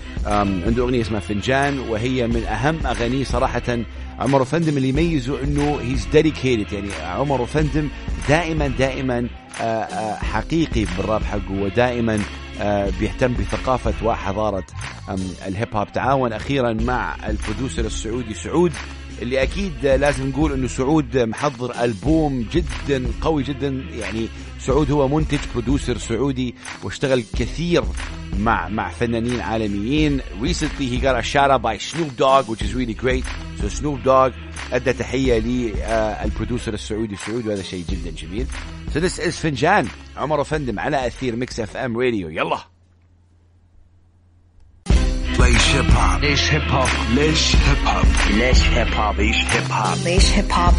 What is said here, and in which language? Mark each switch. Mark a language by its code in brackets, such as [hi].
[ar] عنده أغنية اسمها فنجان, وهي من أهم أغاني صراحة عمر وفندم اللي يميزه أنه [en] he's dedicated, [ar] يعني عمر وفندم دائما دائما حقيقي بالراب حقه, ودائما بيهتم بثقافة وحضارة الهيب هوب. تعاون أخيرا مع البرودوسر السعودي سعود اللي أكيد لازم نقول إنه سعود محضر ألبوم جدا قوي جدا. يعني سعود هو منتج برودوسر سعودي واشتغل كثير مع فنانين عالميين. [en] Recently he got a shout out by Snoop Dogg, which is really great. So [ar] Snoop Dogg أدى تحية للبرودوسر السعودي سعود, وهذا شيء جدا جميل. [en] So this is فنجان عمر فندم [ar] على أثير [en] Mix FM Radio. [ar] يلا. Laish Hip Hop